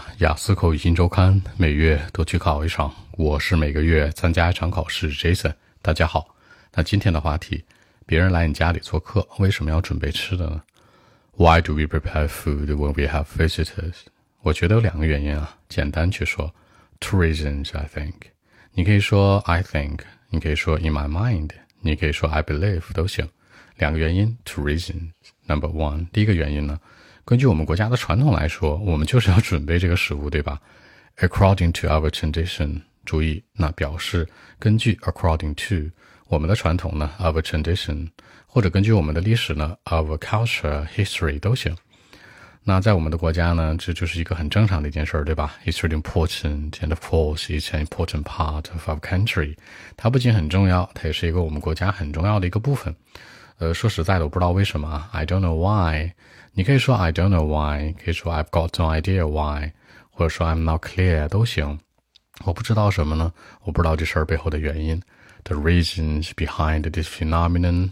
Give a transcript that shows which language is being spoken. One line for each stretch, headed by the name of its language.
Chinese: 雅思口语新周刊每月都去考一场，我是每个月参加一场考试 Jason。大家好，那今天的话题，别人来你家里做客，为什么要准备吃的呢？
English: Why do we prepare food when we have visitors?
Chinese: 我觉得有两个原因啊，简单去说
English: Two reasons, I think。
Chinese: 你可以说 I think， 你可以说
English: in my mind，
Chinese: 你可以说
English: I believe，
Chinese: 都行。两个原因
English: Two reasons。 Number one，
Chinese: 第一个原因呢，根据我们国家的传统来说，我们就是要准备这个食物，对吧？
English: According to our tradition，
Chinese: 注意，那表示根据
English: according to
Chinese: 我们的传统呢，
English: our tradition，
Chinese: 或者根据我们的历史呢，
English: our culture history
Chinese: 都行。那在我们的国家呢，这就是一个很正常的一件事，对吧？
English: It's really important and of course it's an important part of our country。
Chinese: 它不仅很重要，它也是一个我们国家很重要的一个部分。说实在的，我不知道为什么
English: I don't know why。
Chinese: 你可以说 I don't know why， 可以说
English: I've got no idea why，
Chinese: 或者说
English: I'm not clear
Chinese: 都行。我不知道什么呢？我不知道这事儿背后的原因，
English: the reasons behind this phenomenon。